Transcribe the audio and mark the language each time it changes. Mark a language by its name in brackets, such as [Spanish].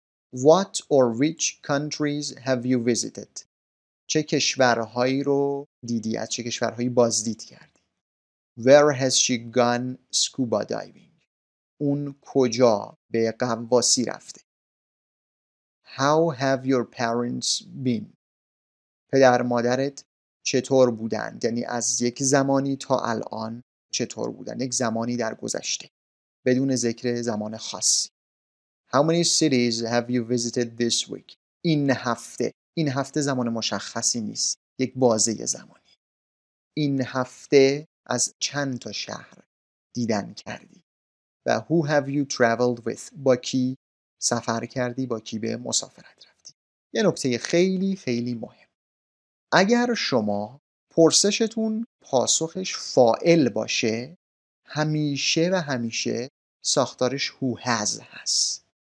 [English] What or which countries have you visited؟ [Persian] چه کشورهایی رو دیدی؟ از چه کشورهایی بازدید کردی؟ [English] Where has she gone scuba diving؟ [Persian] اون کجا به غواصی رفته؟ [English] How have your parents been؟ [Persian] پدر مادرت چطور بودند؟ یعنی از یک زمانی تا الان چطور بودند؟ یک زمانی در گذشته بدون ذکر زمان خاصی. [English] How many cities have you visited this week؟ [Persian] این هفته. این هفته زمان مشخصی نیست، یک بازه زمانی. این هفته از چند تا شهر دیدن کردی؟ و [English] Who have you traveled with؟ [Persian] با کی سفر کردی، با کی به مسافرت رفتی. یه نکته خیلی خیلی مهم، اگر شما پرسشتون پاسخش فاعل باشه، همیشه و همیشه ساختارش who has هست.